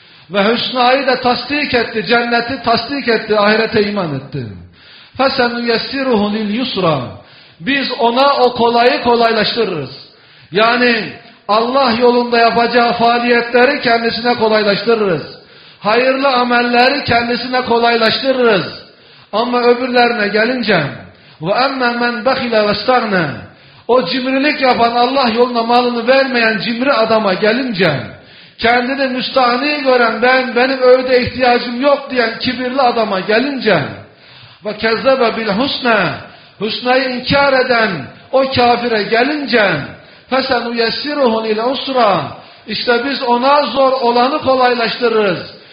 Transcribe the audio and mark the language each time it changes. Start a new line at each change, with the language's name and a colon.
Turkish: Ve hüsnayı da tasdik etti, cenneti tasdik etti, ahirete iman etti.
Arabic: فَسَنُيَسِّرُهُ لِلْيُسْرَى.
Turkish: Biz ona o kolayı kolaylaştırırız. Yani Allah yolunda yapacağı faaliyetleri kendisine kolaylaştırırız. Hayırlı amelleri kendisine kolaylaştırırız. Ama öbürlerine gelince,
Arabic: وَاَمَّا مَنْ بَخِلَ وَاسْتَغْنَى.
Turkish: O cimrilik yapan, Allah yoluna malını vermeyen cimri adama gelince, kendini müstahni gören, benim öğüde ihtiyacım yok diyen kibirli adama gelince,
Arabic: ve kezzebe bil husne,
Turkish: husneyi inkar eden o kafire gelince,
Arabic: fesenu yessiruhun ile usra,
Turkish: işte biz ona zor olanı kolaylaştırırız.